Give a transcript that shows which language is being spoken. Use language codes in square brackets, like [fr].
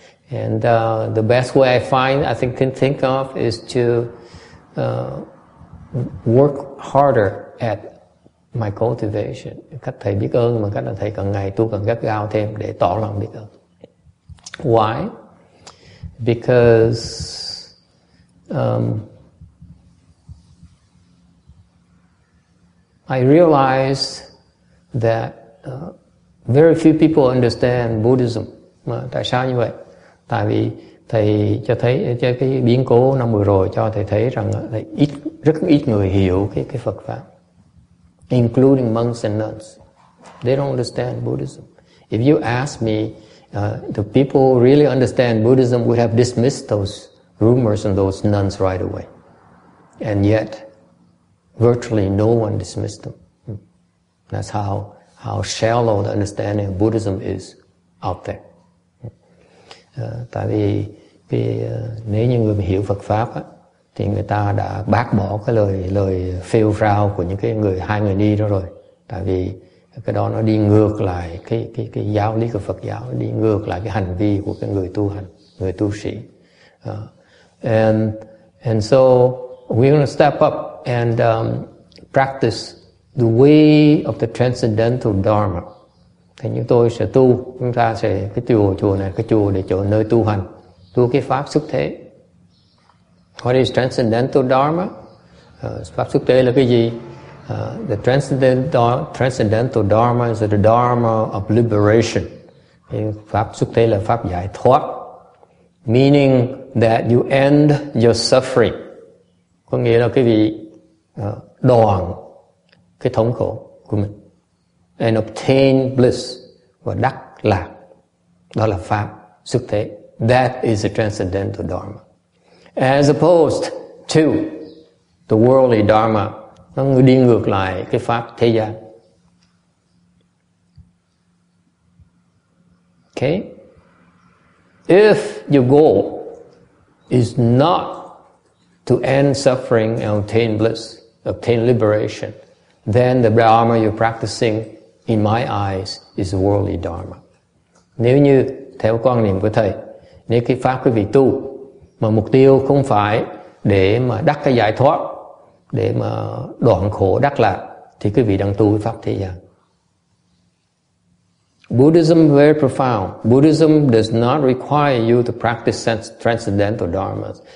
[en] And the best way I think of is to work harder at my cultivation. [vi] Cách thầy biết ơn mà cách là thầy càng ngày tu càng gắt gao thêm để tỏ lòng biết ơn. [en] Why? Because I realized that very few people understand Buddhism. [vi] Mà tại sao như vậy? Tại vì thầy cho thấy cho cái biến cố năm vừa rồi cho thầy thấy rằng là rất ít người hiểu cái Phật pháp, [en] including monks and nuns. They don't understand Buddhism. If you ask me, the people who really understand Buddhism would have dismissed those rumors and those nuns right away. And yet, virtually no one dismissed them. That's how shallow the understanding of Buddhism is out there. [vi] Tại vì nếu như người hiểu Phật pháp á, thì người ta đã bác bỏ cái lời phêu phao của những cái người hai người ni đó rồi. Tại vì cái đó nó đi ngược lại cái giáo lý của Phật giáo, đi ngược lại cái hành vi của cái người tu hành, người tu sĩ. [en] And so we're gonna step up and practice the way of the transcendental dharma. [vi] Thì chúng tôi sẽ tu, chúng ta sẽ cái chùa này, cái chùa để chỗ nơi tu hành, tu cái pháp xuất thế. [en] What is transcendental dharma? [vi] Pháp xuất thế là cái gì? [en] The transcendental dharma is the dharma of liberation. [vi] Pháp xuất thế là pháp giải thoát, [en] meaning that you end your suffering. [vi] Có nghĩa là cái vị đoạn cái thống khổ của mình [en] and obtain bliss, [vi] và đắc lạc. Đó là pháp xuất thế. [en] That is the transcendental dharma. As opposed to the worldly dharma, [vi] nó đi ngược lại cái pháp thế gian. Okay? [en] If your goal is not to end suffering and obtain bliss, obtain liberation, then the dharma you're practicing, in my eyes, is worldly dharma. [vi] Nếu như theo quan niệm của thầy, nếu cái pháp quý vị tu mà mục tiêu không phải để mà đắc cái giải thoát, để mà đoạn khổ đắc lạc, thì quý vị đang tu cái pháp thế gian. [en] Buddhism very profound. Buddhism does not require you to practice sense transcendental dharmas.